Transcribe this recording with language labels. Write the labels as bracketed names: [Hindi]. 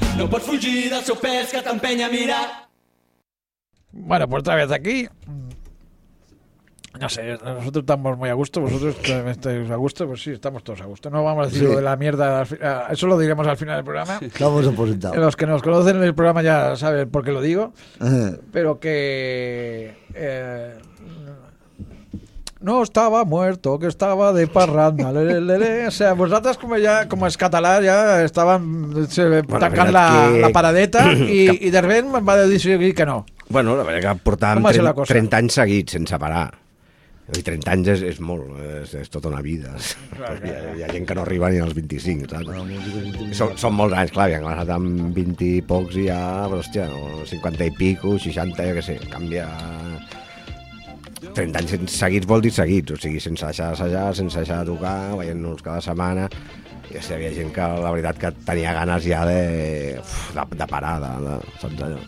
[Catalan] pots fugir del seu pes que t'empenya a mirar. [Spanish] Bueno, pues otra vez aquí. No sé, nosotros estamos muy a gusto, vosotros también estáis a gusto, pues sí, estamos todos a gusto. No vamos a decir lo de la mierda, eso lo diremos al final del programa. Estamos opositados. Los que nos conocen en el programa ya saben por qué lo digo, pero que... no estaba muerto, que estaba de parranda. O sea, vosotras como ya, como es catalán, ya estaban tancando la paradeta y de repente va a decir que no. Bueno, la verdad que portaban 30 años seguidos sin parar. [Catalan] I 30 anys és molt, és tota una vida. Hi ha gent que no arriba ni als 25, saps? Són molts anys, clar, han començat amb 20 i pocs i ja, però hòstia, 50 i pico, 60, jo què sé, canvia... 30 anys seguits vol dir seguits, o sigui, sense deixar d'assajar, sense deixar de tocar, veient-nos cada setmana, i hi havia gent que, la veritat, que tenia ganes ja de parar, de saps allò?